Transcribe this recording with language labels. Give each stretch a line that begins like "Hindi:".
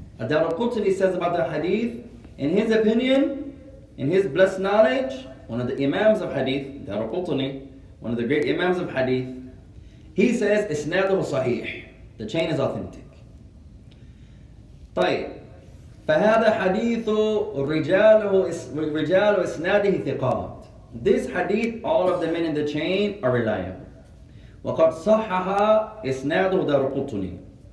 English: الدارقطني says about the hadith, in his opinion, in his blessed knowledge, one of the imams of hadith, الدارقطني, one of the great imams of hadith, he says
Arabic: إسناده صحيح.
English: The chain is authentic.
Arabic: طيب فهذا حديث رجال إسناده ثقات.
English: This hadith, all of the men in the chain are reliable.
Arabic: وقد صحها إسناده دارقطني.